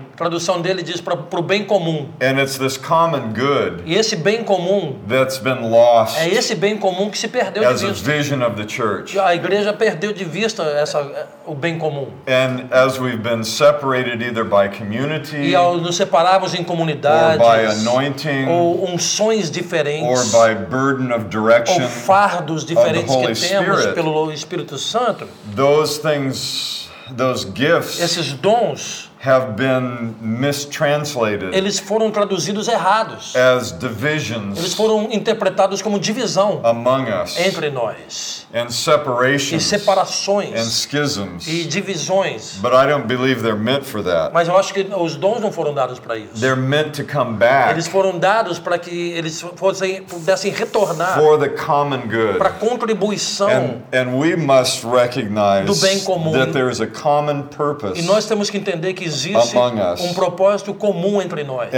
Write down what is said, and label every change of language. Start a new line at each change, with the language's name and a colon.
Portuguese: a tradução dele diz para o bem comum.
English: And it's this common good,
Portuguese: e esse bem comum,
English: that's been lost,
Portuguese: é esse bem comum que se perdeu de vista,
English: as a vision of the church,
Portuguese: a igreja perdeu de vista essa, o bem comum.
English: And as we've been separated either by community,
Portuguese: e ao nos separarmos em comunidades,
English: or by anointing,
Portuguese: ou unções diferentes,
English: or by burden of direction,
Portuguese: ou fardos diferentes
English: of the Holy
Portuguese: que temos
English: Spirit,
Portuguese: pelo Espírito Santo,
English: those things, those gifts,
Portuguese: esses dons,
English: have been mistranslated.
Portuguese: Eles foram traduzidos errados.
English: As divisions.
Portuguese: Eles foram interpretados como divisão.
English: Among us.
Portuguese: Entre nós.
English: And separations.
Portuguese: E separações.
English: And schisms.
Portuguese: E divisões.
English: But I don't believe they're meant for that.
Portuguese: Mas eu acho que os dons não foram dados para isso.
English: They're meant to come back.
Portuguese: Eles foram dados para que eles fossem, pudessem retornar.
English: For the common good.
Portuguese: Para contribuição.
English: And we must recognize
Portuguese: do bem comum.
English: That there is a common purpose.
Portuguese: E nós temos que entender que existe um propósito comum entre nós.